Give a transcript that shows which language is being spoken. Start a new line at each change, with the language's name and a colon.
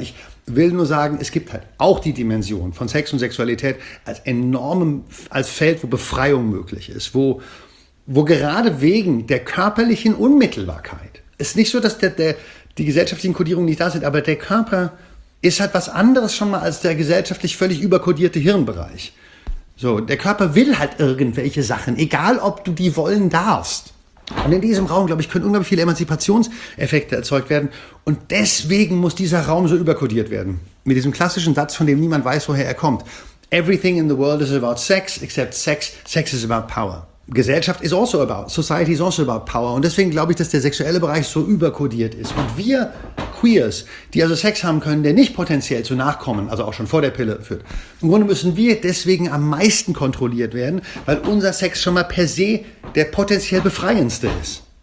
German: Ich will nur sagen, es gibt halt auch die Dimension von Sex und Sexualität als enormem, als Feld, wo Befreiung möglich ist, wo gerade wegen der körperlichen Unmittelbarkeit, es ist nicht so, dass die gesellschaftlichen Kodierungen nicht da sind, aber der Körper ist halt was anderes schon mal als der gesellschaftlich völlig überkodierte Hirnbereich. So, der Körper will halt irgendwelche Sachen, egal ob du die wollen darfst. Und in diesem Raum, glaube ich, können unglaublich viele Emanzipationseffekte erzeugt werden. Und deswegen muss dieser Raum so überkodiert werden. Mit diesem klassischen Satz, von dem niemand weiß, woher er kommt.
English: Everything in the world is about sex, except sex. Sex is about power. Gesellschaft is also about, society is also about power.
German: Und deswegen glaube ich, dass der sexuelle Bereich so überkodiert ist. Und wir Queers, die also Sex haben können, der nicht potenziell zu Nachkommen, also auch schon vor der Pille führt, im Grunde müssen wir deswegen am meisten kontrolliert werden, weil unser Sex schon mal per se der potenziell befreiendste ist.